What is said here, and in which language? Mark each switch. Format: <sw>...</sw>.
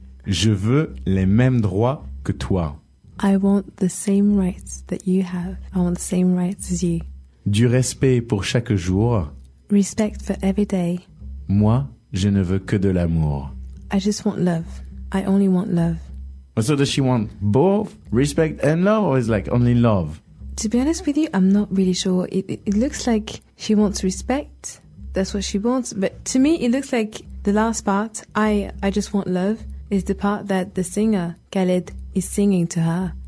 <fr>Je veux les mêmes droits que toi.</fr> <en>I want the same rights that you have. I want the same rights as you.</en> <fr>Du respect pour chaque jour.</fr> <en>Respect for every day.</en> <fr>Moi, je ne veux que de l'amour.</fr> <en>I just want love. I only want love. So does she want both respect and love, or is it like only love? To be honest with you, I'm not really sure. It looks like she wants respect. That's what she wants. But to me, it looks like the last part, I just want love, is the part that the singer, Khaled, is singing to her.</en>